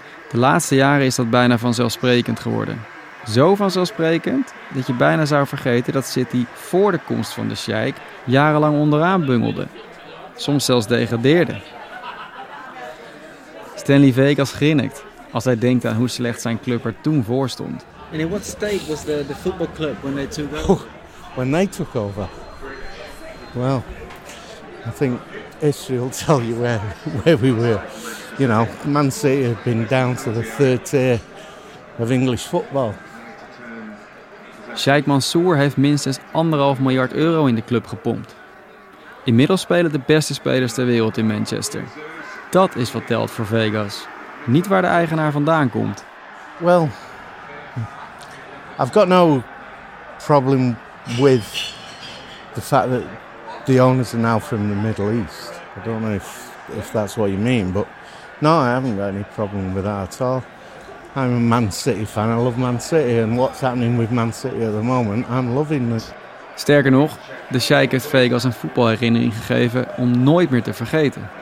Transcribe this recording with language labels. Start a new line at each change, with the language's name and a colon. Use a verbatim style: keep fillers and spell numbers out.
Dutch: De laatste jaren is dat bijna vanzelfsprekend geworden. Zo vanzelfsprekend dat je bijna zou vergeten dat City voor de komst van de Sheikh jarenlang onderaan bungelde. Soms zelfs degradeerde. Stanley Vegas grinnikt als hij denkt aan hoe slecht zijn club er toen voor stond.
English: And in what state was the, the football club when they took over? Oh, when they took over? Well, I think history will tell you where, where we were. You know, Man City had been down to the third tier of English football.
Dutch: Sheikh Mansour heeft minstens anderhalf miljard euro in de club gepompt. Inmiddels spelen de beste spelers ter wereld in Manchester. Dat is wat telt voor Vegas. Niet waar de eigenaar vandaan komt.
English: Well, I've got no problem with the fact that the owners are now from the Middle East. I don't know if, if that's what you mean, but no, I haven't got any problem with that at all. I'm a Man City fan, I love Man City, and what's happening with Man City at the moment, I'm loving it.
Dutch: Sterker nog, de Sheikh heeft Vegas een voetbalherinnering gegeven om nooit meer te vergeten.